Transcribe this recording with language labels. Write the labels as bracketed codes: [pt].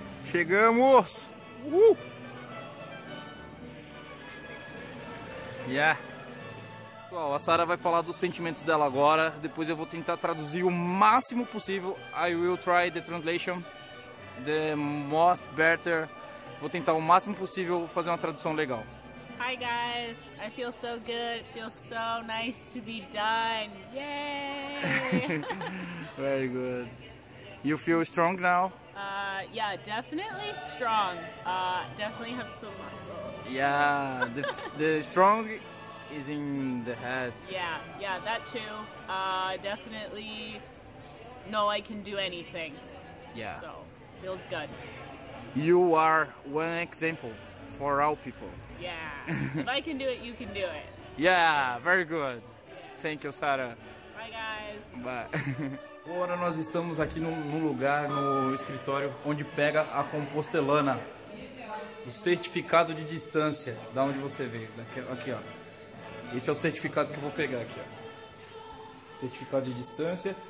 [pt] Chegamos. Pessoal, a Sarah vai falar dos sentimentos dela agora. Depois eu vou tentar traduzir o máximo possível. [en] I will try the translation the most better. [pt] Vou tentar o máximo possível fazer uma tradução legal. [en] Hi guys, I feel so good. It feels so nice to be done. Yay! Very good. You feel strong now? Yeah, definitely strong. Definitely have some muscle. Yeah, the strong is in the head. Yeah, that too. Definitely know I can do anything. Yeah. So, feels good. You are one example for all people. Yeah. If I can do it, you can do it. Yeah, very good. Yeah. Thank you, Sarah. Bye, guys. Bye. [pt] Agora nós estamos aqui num lugar, no escritório, onde pega a Compostelana, o certificado de distância, da onde você veio. Aqui, ó. Esse é o certificado que eu vou pegar aqui, ó. Certificado de distância.